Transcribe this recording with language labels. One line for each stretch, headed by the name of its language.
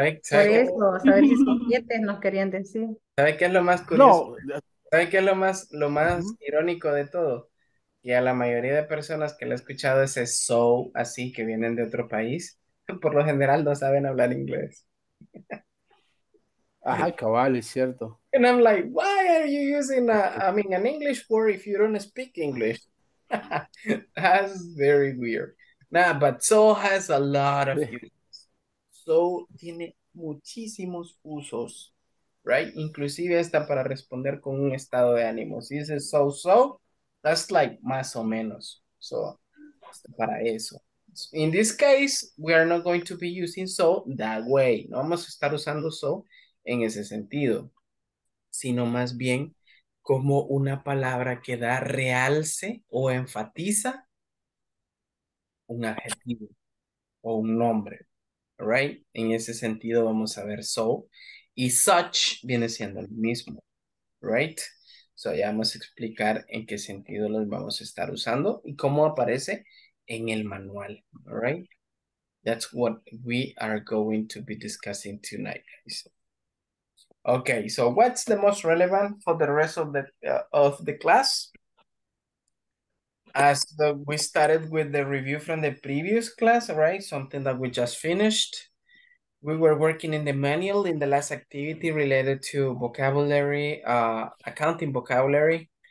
Spanish: ¿Sabes si son siete nos querían decir? ¿Sabes qué es lo más curioso? No. ¿Sabes qué es lo más irónico de todo? Y a la mayoría de personas que le he escuchado ese so, así, que vienen de otro país, por lo general no saben hablar inglés. Ajá, cabal, es cierto.
English: And I'm like, why are you using an English word if you don't speak English? That's very weird. Nah, but so has a lot of uses.
Spanish: So tiene muchísimos usos, right? Inclusive está para responder con un estado de ánimo. Si dices so, so,
English: that's like
Spanish: más o menos. So, para eso.
English: In this case, we are not going to be using so that way.
Spanish: No vamos a estar usando so en ese sentido, sino más bien como una palabra que da realce o enfatiza un adjetivo o un nombre, right? En ese sentido vamos a ver so, y such viene siendo el mismo, right? So ya vamos a explicar en qué sentido los vamos a estar usando y cómo aparece en el manual, right?
English: That's what we are going to be discussing tonight, guys. Okay, so what's the most relevant for the rest of the class? As we started with the review from the previous class, right? Something that we just finished. We were working in the manual in the last activity related to vocabulary, accounting vocabulary.